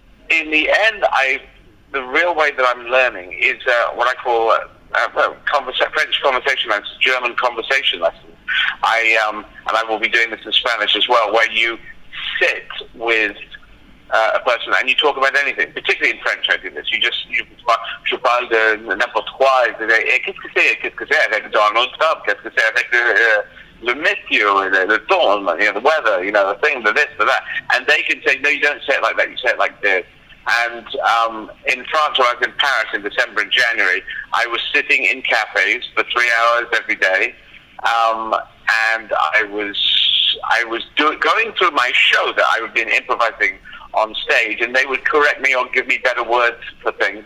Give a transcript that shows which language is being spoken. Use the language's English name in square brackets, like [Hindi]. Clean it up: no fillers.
[English] In the end, the real way that I'm learning is what I call French conversation lessons, German conversation lessons. And I will be doing this in Spanish as well, where you sit with a person and you talk about anything, particularly in French. I do this. [French] Je parle de n'importe quoi. Qu'est-ce que c'est avec Donald Trump? Qu'est-ce que c'est avec le météo, le temps, [English] you know, the weather, you know, the thing, the this, the that. And they can say, no, you don't say it like that. You say it like this. And in France, when I was in Paris in December and January, I was sitting in cafes for 3 hours every day, and I was going through my show that I would be improvising on stage, and they would correct me or give me better words for things.